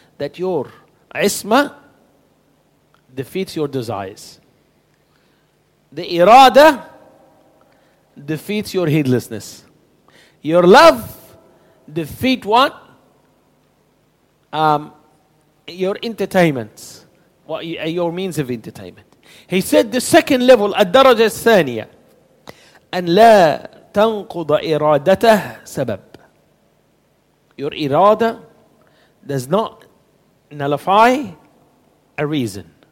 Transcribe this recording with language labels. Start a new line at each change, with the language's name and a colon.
English: That your isma defeats your desires. The irada defeats your heedlessness. Your love defeats what? Your entertainments. What your means of entertainment. He said the second level,
Arabic: الدرجة الثانية, أن لا تنقض إرادته سبب.
English: Your irada does not nullify a reason.